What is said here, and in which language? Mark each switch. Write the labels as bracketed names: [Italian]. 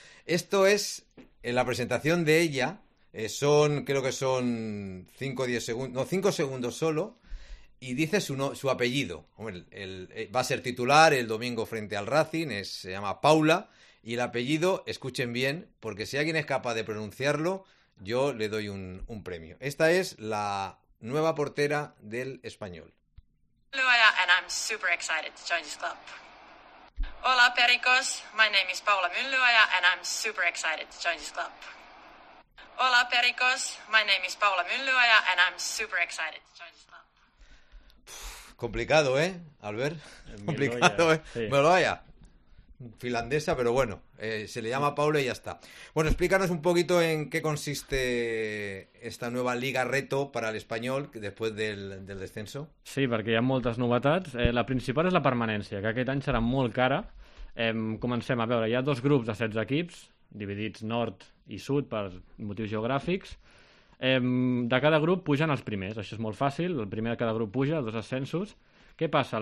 [Spanish] Esto es en la presentación de ella, creo que son 5 segundos solo, y dice su apellido. Hombre, va a ser titular el domingo frente al Racing, se llama Paula, y el apellido, escuchen bien, porque si alguien es capaz de pronunciarlo, yo le doy un premio. Esta es la nueva portera del Español. [English] Hola, and I'm super excited to join this club. [Spanish] Hola, pericos. [English] My name is Paula Myllyoja, and I'm super excited to join this club. [Spanish] Hola, pericos. [English] My name is Paula Myllyoja, and I'm super excited to join this club. [Spanish] Complicado, ¿eh, Albert? Complicado, ¿eh? Sí. Myllyoja. Finlandesa, pero bueno, se le llama Paula y ya está. Bueno, explícanos un poquito en qué consiste esta nueva Liga Reto para el Español después del descenso. [Catalan] Sí, perquè hi ha moltes novetats. La principal és la permanència, que aquest any serà molt cara. Comencem a veure, hi ha dos grups de 16 equips, dividits nord i sud per motius geogràfics. De cada grup pugen els primers, això és molt fàcil, el primer de cada grup puja, dos ascensos. Què passa?